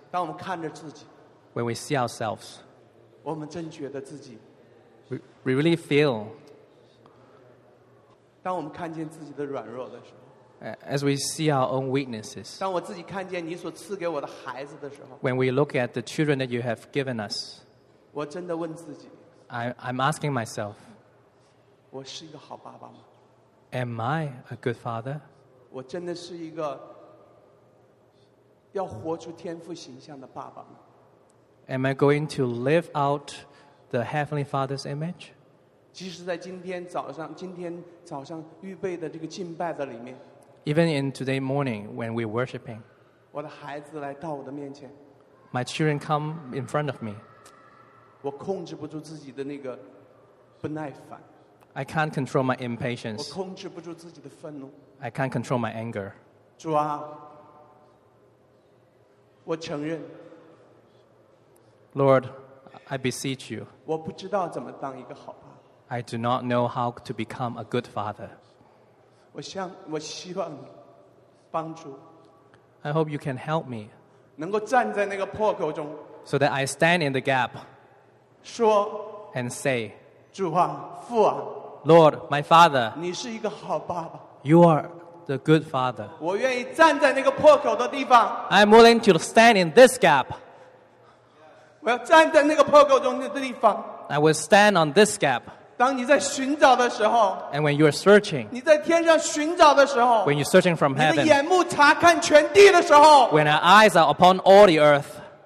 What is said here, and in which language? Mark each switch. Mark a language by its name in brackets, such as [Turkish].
[Chinese] 当我们看着自己 [English] When we see ourselves [Chinese] 我们真觉得自己 [English] We really feel [Chinese] 当我们看见自己的软弱的时候 [English] As we see our own weaknesses [Chinese] 当我自己看见你所赐给我的孩子的时候 [English] When we look at the children that you have given us [Chinese] 我真的问自己 [English] I'm asking myself [Chinese] 我是一个好爸爸吗 [English] Am I a good father? [Chinese] 我真的是一个要活出天父形象的爸爸吗 [English] Am I going to live out the Heavenly Father's image? [Chinese] 即使在今天早上，今天早上预备的这个敬拜的里面。 [English] Even in today morning when we're worshiping. [Chinese] 我的孩子来到我的面前。 [English] My children come in front of me. [Chinese] 我控制不住自己的那个不耐烦。 [English] I can't control my impatience. [Chinese] 我控制不住自己的愤怒。 [English] I can't control my anger. [Chinese] 主啊，我承认。 [English] Lord, I beseech you. [Chinese] 我不知道怎么当一个好爸。 [English] I do not know how to become a good father. [Chinese] 我希望你帮助。 [English] I hope you can help me. [Chinese] 能够站在那个破口中。 [English] So that I stand in the gap. [Chinese] 说。 [English] And say. [Chinese] 主啊，父啊。 [English] Lord, my father. [Chinese] 你是一个好爸爸。 [English] You are the good father. [Chinese] 我愿意站在那个破口的地方。 [English] I'm willing to stand in this gap. [Chinese] 我要站在那个破口中的地方。 [English] I will stand on this gap. [Chinese] 当你在寻找的时候 [English] and when you are searching, [Chinese] 你在天上寻找的时候 [English] when you're searching from heaven, [Chinese] 你的眼目查看全地的时候 [English] when our eyes are upon all the earth,